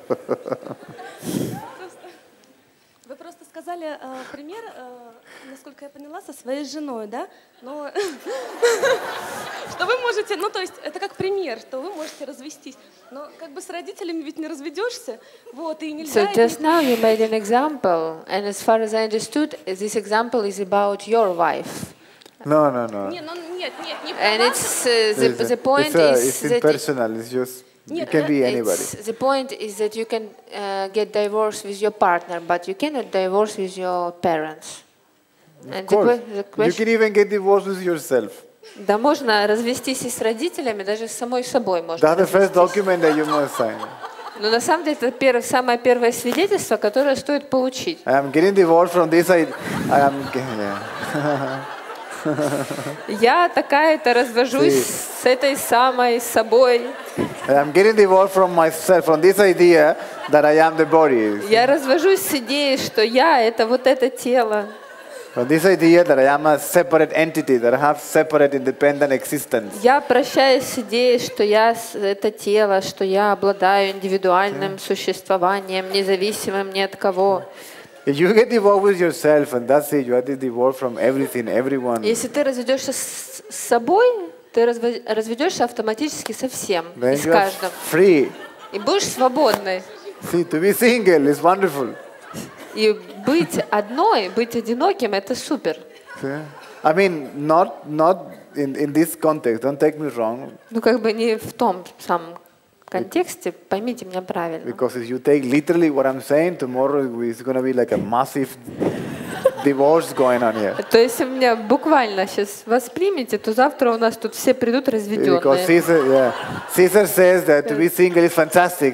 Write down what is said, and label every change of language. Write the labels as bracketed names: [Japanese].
[Russian] Вы просто сказали пример. Насколько я поняла, со своей женой, да? Но что вы можете, ну то есть это как пример, что вы можете развестись, но как бы с родителями ведь не разведешься, вот, и нельзя. [English] So just now you made an example, and as far as I understood, this example is about your wife. No. And it's the point is it's personal, it's just. It can be anybody. It's, the point is that you can get divorced with your partner, but you cannot divorce with your parents. You can even get divorced with yourself. [Russian] Да можно развестись и с родителями, даже с самой собой можно. [English] That's the first document that you must sign. [Russian] Но на самом деле это самое первое свидетельство, которое стоит получить. [English] I am getting divorced from this. I am. [Russian] Я такая-то развожусь с этой самой собой. [English] I am getting divorced from myself, from this idea that I am the body. [Russian] Я развожусь с идеей, что я это вот это тело. [English] From this idea that I am a separate entity, that I have separate independent existence. [Russian] Я прощаюсь с идеей, что я это тело, что я обладаю индивидуальным существованием, независимым ни от кого. [English] You get divorced with yourself, and that's it. You are divorced from everything, everyone. [Russian] Если ты разведешься с собой, ты разведешься автоматически со всем и с каждым. [English] Free. [Russian] И будешь свободной. [English] See, to be single is wonderful. [Russian] И быть одной, быть одиноким, это супер. [English] I mean, not in this context. Don't take me wrong. [Russian] Ну как бы не в том самом контексте. Поймите меня правильно. [English] Because if you take literally what I'm saying, tomorrow is going to be like a massive divorce going on here. [Russian] То есть, если меня буквально сейчас воспримите, то завтра у нас тут все придут разведенные. [English] Because Caesar, yeah. Caesar says that to be single is fantastic.